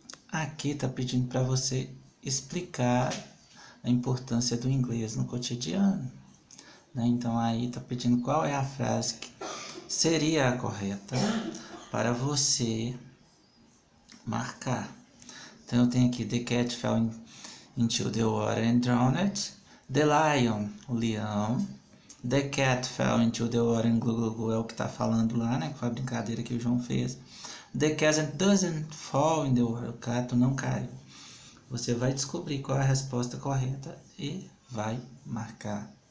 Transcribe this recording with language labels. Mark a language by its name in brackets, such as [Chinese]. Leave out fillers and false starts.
[Portuguese] Aqui está pedindo para você explicar a importância do inglês no cotidiano, né? Então aí está pedindo qual é a frase que seria a correta para você marcar. Então eu tenho aqui: [English] The cat fell into the water and drowned. The lion, [Portuguese] o leão. [English] The cat fell into the water and [Portuguese] glu glu glu é o que está falando lá, né? Com a brincadeira que o João fez. [English] The cat doesn't fall in the water. [Portuguese] O gato não cai. Você vai descobrir qual é a resposta correta e vai marcar.